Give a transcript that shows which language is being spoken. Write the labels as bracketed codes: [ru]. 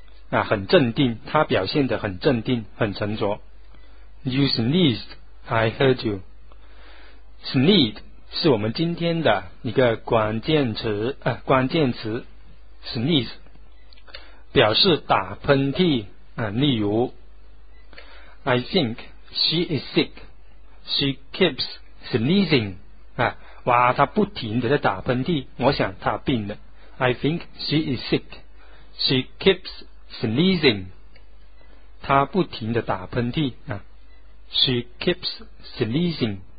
[zh] 啊，很镇定，他表现得很镇定，很沉着。 [en] You sneezed, I heard you. [zh] Sneeze 是我们今天的一个关键词，关键词 sneeze 表示打喷嚏啊。 [en] 例如 ，I think she is sick. She keeps sneezing. [zh] 啊，哇，她不停地在打喷嚏，我想她病了。 [en] I think she is sick. She keeps sneezing， [zh] 他不停地打喷嚏啊。 [en] She keeps sneezing。